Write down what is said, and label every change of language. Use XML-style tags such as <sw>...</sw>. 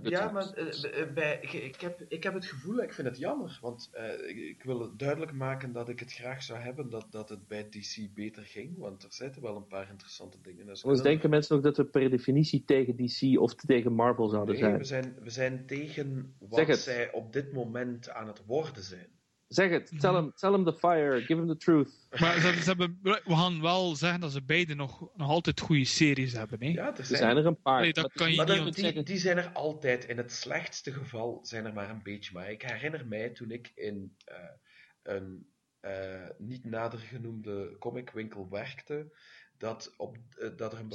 <nl>Maar ik heb het gevoel, ik vind het jammer, want ik wil het duidelijk maken dat ik het graag zou hebben dat het bij DC beter ging, want er zitten wel een paar interessante dingen. Denken mensen ook dat we per definitie tegen DC of tegen Marvel zouden zijn? Nee, we zijn tegen wat zij op dit moment aan het worden zijn. Zeg het,</nl> <en>tell him the fire, give him the truth.</en> <nl>Maar we gaan wel zeggen dat ze beide nog altijd goede series hebben. Hè? Ja, er zijn er een paar. Nee, die zijn er altijd. In het slechtste geval zijn er maar een beetje. Maar ik herinner mij toen ik in een niet nader genoemde comicwinkel werkte, dat er een bepaald...</nl>